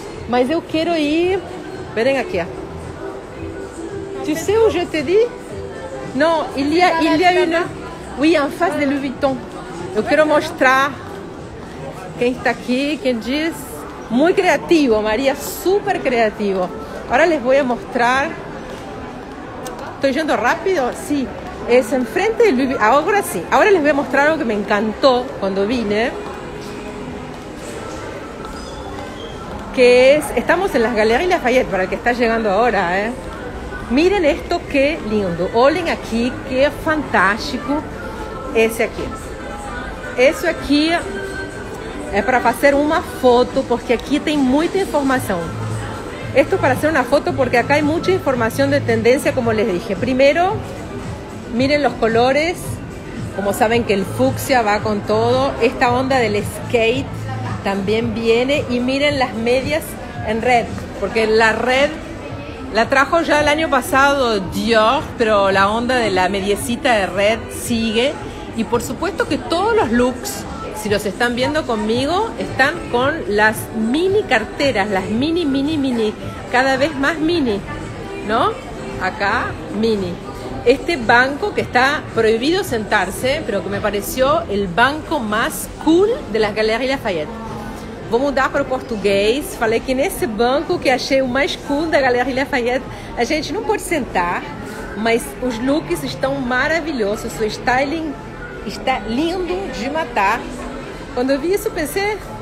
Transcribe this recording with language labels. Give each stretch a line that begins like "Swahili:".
Portuguese: Mas eu quero ir. Verem aqui, ó.
French: Tu sais où je te dis? Non, il y a une. Oui, en face de Louis Vuitton.
Portuguese: Eu quero mostrar quem está aqui, quem diz. Muito criativo, Maria, super criativo. Agora les vou mostrar. Estou indo rápido? Sim.
Spanish: Es enfrente de Louis Vuitton.
Portuguese: Agora sim.
Spanish: Agora les voy a mostrar algo que me encantó quando vine. Que es. Estamos en las Galerías Lafayette, para el que está llegando ahora, ¿eh? Miren esto, que lindo.
Portuguese: Olhem aqui, que fantástico. Esse aqui. Esse aqui é para fazer uma foto, porque aqui tem muita informação.
Spanish: Esto é para hacer una foto, porque acá hay mucha información de tendencia, como les dije. Primero, miren los colores. Como saben que el fucsia va con todo. Esta onda del skate también viene. Y miren las medias en red, porque la red... La trajo ya el año pasado Dior, pero la onda de la mediecita de red sigue. Y por supuesto que todos los looks, si los están viendo conmigo, están con las mini carteras, las mini, mini, mini, cada vez más mini, ¿no? Acá, mini. Este banco que está prohibido sentarse, pero que me pareció el banco más cool de las Galerías Lafayette.
Portuguese: Vou mudar para o português. Falei que nesse banco que achei o mais cool da Galeria Lafayette, a gente não pode sentar, mas os looks estão maravilhosos. O styling está lindo de matar. Quando eu vi isso, pensei...